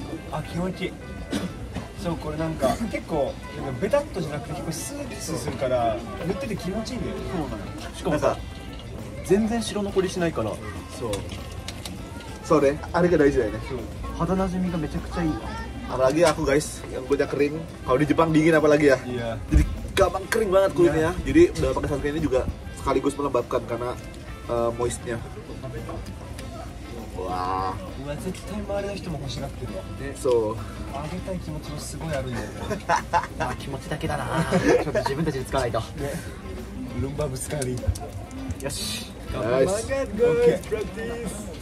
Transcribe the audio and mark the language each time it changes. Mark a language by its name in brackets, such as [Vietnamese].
[Japanese] あ、気持ちいい。そう、これなんか結構なんかベタっとじゃなくて結構スーッとするから塗ってて気持ちいいんだよ。そうなの、しかもさ、全然白残りしないから。そうそうね、あれが大事だよね。そう、肌なじみがめちゃくちゃいい。 [Indonesian] apalagi aku guys yang kulitnya kering, kalau di Jepang dingin apalagi ya. Iya, jadi gampang kering banget kulitnya. Yeah. Jadi udah pakai sunscreen ini juga sekaligus melembabkan karena moistnya. [Japanese] うわ、絶対周りの人も欲しがってるわ。で、そう、あげたい気持ちもすごいあるんだよね。まあ気持ちだけだな。ちょっと自分たちで使わないと。ね、ルンバぶつかり。よし、頑張ります。マガゴイプラクティス。